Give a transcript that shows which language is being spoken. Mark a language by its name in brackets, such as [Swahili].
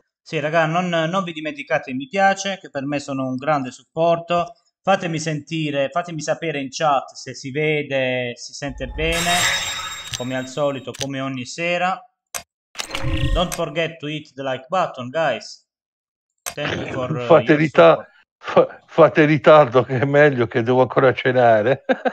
[Italian] Sì, raga, non vi dimenticate i mi piace, che per me sono un grande supporto. Fatemi sapere in chat se si vede, si sente bene, come al solito, come ogni sera. [English] Don't forget to hit the like button, guys. Thank you for your support. [Italian] Fate ritardo che è meglio che devo ancora cenare.